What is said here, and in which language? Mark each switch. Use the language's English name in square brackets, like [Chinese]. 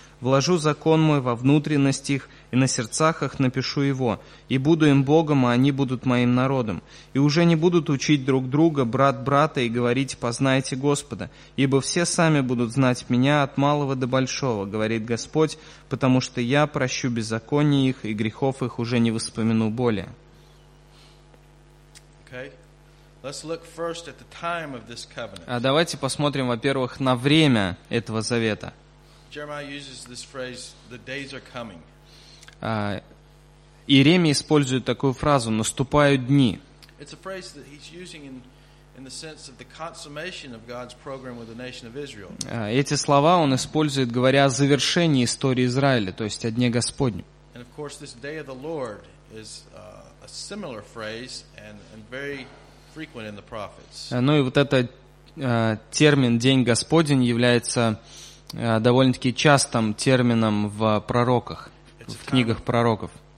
[Russian] Вложу закон мой во внутренность их, и на сердцах их напишу его, и буду им Богом, а они будут моим народом. И уже не будут учить друг друга, брат брата, и говорить: познайте Господа, ибо все сами будут знать меня от малого до большого, говорит Господь, потому что я прощу беззаконие их, и грехов их уже не воспомяну более». [English] Okay. Let's look first at the time of this covenant. [Russian] Давайте посмотрим, во-первых, на время этого завета. [English] Jeremiah uses this phrase, "The days are coming." [Russian] Иеремия использует такую фразу: «наступают дни». [English] It's a phrase that he's using in the sense of the consummation of God's program with the nation of Israel. [Russian] Эти слова он использует, говоря о завершении истории Израиля, то есть о дне Господнем. [English] And of course, this day of the Lord is a similar phrase and very frequent in the prophets. [Russian] Ну и вот этот термин «день Господень» является довольно-таки частым термином в пророках, в книгах пророков.